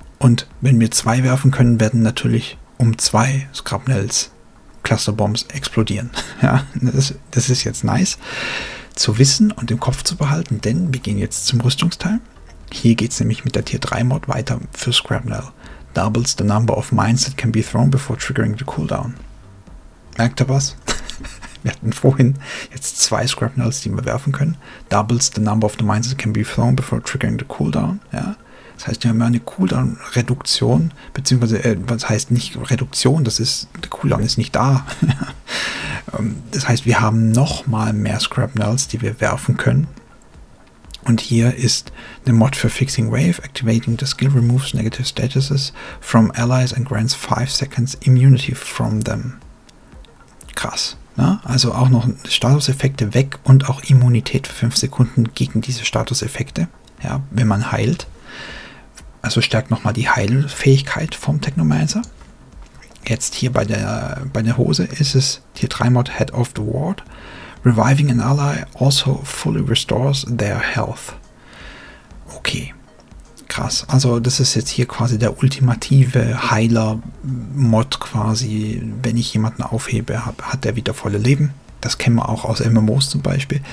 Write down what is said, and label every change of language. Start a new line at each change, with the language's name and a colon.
German: Und wenn wir zwei werfen können, werden natürlich um zwei Scrapnels Cluster Bombs explodieren. Ja, das ist jetzt nice zu wissen und im Kopf zu behalten, denn wir gehen jetzt zum Rüstungsteil. Hier geht es nämlich mit der Tier 3 Mod weiter für Scrapnel.
English: Doubles the number of mines that can be thrown before triggering the cooldown.
German: Merkt ihr was? Wir hatten vorhin jetzt zwei Scrapnels, die wir werfen können.
English: Doubles the number of the mines that can be thrown before triggering the cooldown.
German: Ja? Das heißt, wir haben eine Cooldown-Reduktion, beziehungsweise, was heißt nicht Reduktion, das ist, der Cooldown ist nicht da. Das heißt, wir haben nochmal mehr Scrapnels, die wir werfen können. Und hier ist eine Mod für Fixing Wave.
English: Activating the skill removes negative statuses from allies and grants 5 seconds immunity from them.
German: Krass. Ja, also auch noch Statuseffekte weg und auch Immunität für 5 Sekunden gegen diese Statuseffekte, ja, wenn man heilt. Also stärkt nochmal die Heilfähigkeit vom Technomancer. Jetzt hier bei der Hose ist es Tier 3 Mod Head of the Ward.
English: Reviving an ally also fully restores their health. Okay.
German: Krass, also das ist jetzt hier quasi der ultimative Heiler-Mod quasi, wenn ich jemanden aufhebe, hat er wieder volle Leben. Das kennen wir auch aus MMOs zum Beispiel.